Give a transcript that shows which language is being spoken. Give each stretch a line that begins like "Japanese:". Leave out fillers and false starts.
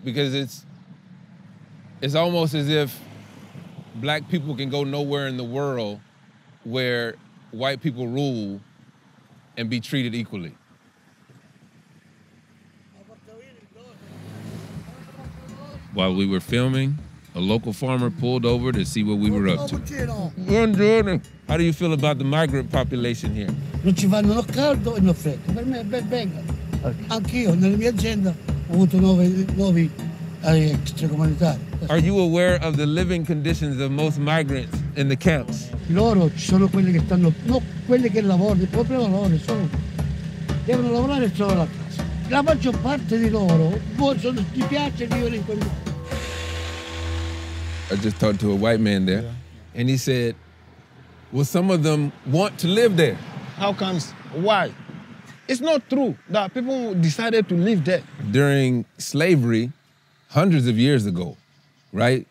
English: Because it's almost as if black people can go nowhere in the world where white people rule and be treated equally. While we were filming, a local farmer pulled over to see what we were up to. How do you feel about the migrant population here?
Italian: Non ci vanno né caldo né freddo. Per me è ben venga. Anch'io nella mia azienda ho avuto nuovi extracomunitari.
English: Are you aware of the living conditions of most migrants in the camps?
Italian: Loro ci sono quelli che stanno, non quelli che lavorano, il problema loro sono, devono lavorare e trovare la casa. La maggior parte di loro sono, gli piace vivere in quel.
English: I just talked to a white man there, and he said, well, some of them want to live there. How comes? Why? It's not true that people decided to live there. During slavery, hundreds of years ago, right?